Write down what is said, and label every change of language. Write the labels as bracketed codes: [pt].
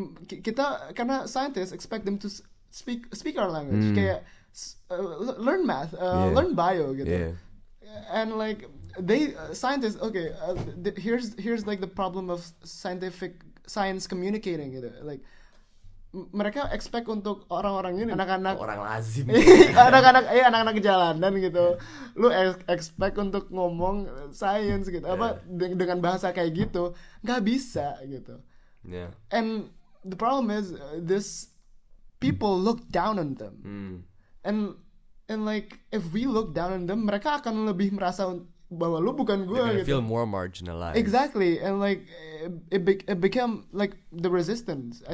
[en] Kita karena scientists expect them to speak our language. Mm. Kayak learn math, learn bio gitu. Yeah. And like they scientists, okay, here's like the problem of scientific science communicating gitu. [id] Like mereka expect untuk orang-orang ini, anak-anak orang lazim, anak-anak jalanan gitu, lu expect untuk ngomong science gitu, dengan bahasa kayak gitu, nggak bisa gitu. [en] Yeah. And the problem is this people look down on them. Mm. And like if we look down on them, mereka akan lebih merasa bahwa lu bukan gue. They're gonna [id] gitu. [en] Feel more marginalized. Exactly, and like it became like the resistance.